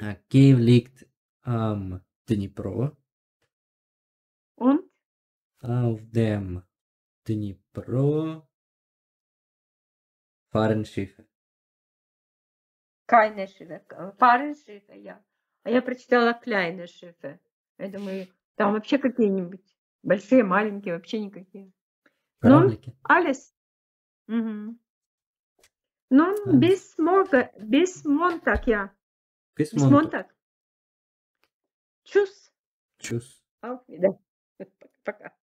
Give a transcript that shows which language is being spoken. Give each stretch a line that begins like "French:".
German: Kiew liegt am Dnipro. Und? Auf dem Dnipro fahren Schiffe. Keine Schiffe, fahren Schiffe, ja.
Russian: А я прочитала
German: kleine Schiffe.
Russian: Я думаю, там вообще какие-нибудь большие, маленькие, вообще никакие. Кораблики. Ну, alles. Угу.
German: Ну, bis Montag, bis Montag, ja. Bis Montag. Tschüss. Tschüss. Auf Wiedersehen. Пока.